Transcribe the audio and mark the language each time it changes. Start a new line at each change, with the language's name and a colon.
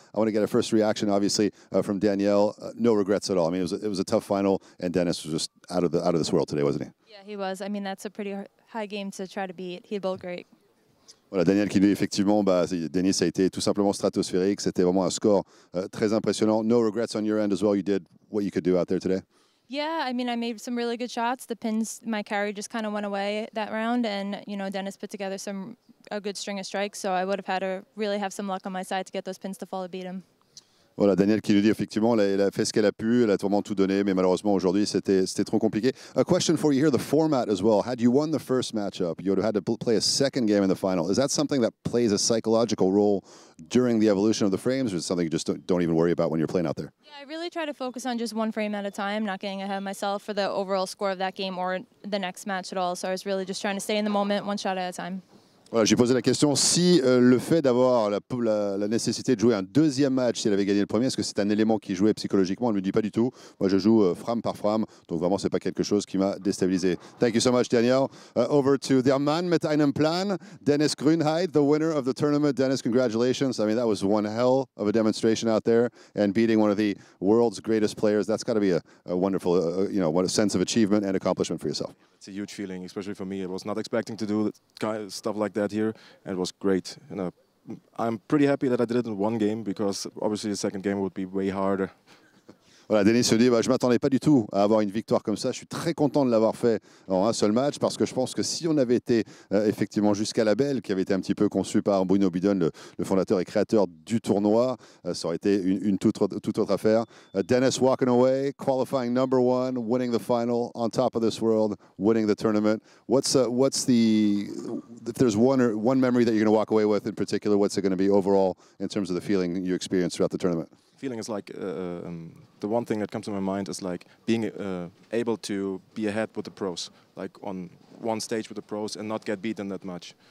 English: I want to get a first reaction, obviously, from Daniel. No regrets at all. I mean, it was a tough final, and Denis was just out of this world today, wasn't he? Yeah, he was. I mean, that's a pretty high game to try to beat. He bowled great.
French: Voilà, Daniel qui dit effectivement, Denis a été tout simplement stratosphérique. C'était vraiment un score très impressionnant.
English: No regrets on your end as well. You did what you could do out there today. Yeah, I mean, I made some really good shots. The pins, my carry just kind of went away that round. And, you know, Denis put together a good string of strikes. So I would have had to really have some luck on my side to get those pins to fall to beat him.
French: Voilà, Daniel qui nous dit effectivement, elle a fait ce qu'elle a pu, elle a vraiment tout donné, mais malheureusement aujourd'hui c'était trop compliqué.
English: A question for you here, the format as well. Had you won the first matchup, you would have had to play a second game in the final. Is that something that plays a psychological role during the evolution of the frames, or is it something you just don't even worry about when you're playing out there? Yeah, I really try to focus on just one frame at a time, not getting ahead of myself for the overall score of that game or the next match at all. So I was really just trying to stay in the moment, one shot at a time.
French: Voilà, j'ai posé la question, si le fait d'avoir la nécessité de jouer un deuxième match, si elle avait gagné le premier, est-ce que c'est un élément qui jouait psychologiquement? Elle ne me dit pas du tout. Moi, je joue frame par frame, donc vraiment, ce n'est pas quelque chose qui m'a déstabilisé.
English: Thank you so much, Daniel. Over to their man
German: mit einem Plan,
English: Denis Grenade, the winner of the tournament. Denis, congratulations. I mean, that was one hell of a demonstration out there, and beating one of the world's greatest players, that's got to be a wonderful sense of achievement and accomplishment for yourself. It's a huge feeling, especially for me. I was not expecting to do stuff like that here, and it was great. You know, I'm pretty happy that I did it in one game, because obviously the second game would be way harder.
French: Voilà, Denis se dit, je m'attendais pas du tout à avoir une victoire comme ça. Je suis très content de l'avoir fait en un seul match, parce que je pense que si on avait été effectivement jusqu'à la belle, qui avait été un petit peu conçue par Bruno Bidon, le fondateur et créateur du tournoi, ça aurait été une toute autre affaire.
English: Denis walking away, qualifying number one, winning the final, on top of this world, winning the tournament. If there's one memory that you're going to walk away with in particular, what's it going to be overall in terms of the feeling you experienced throughout the tournament? Feeling is like the one thing that comes to my mind is like being able to be ahead with the pros, like on one stage with the pros and not get beaten that much.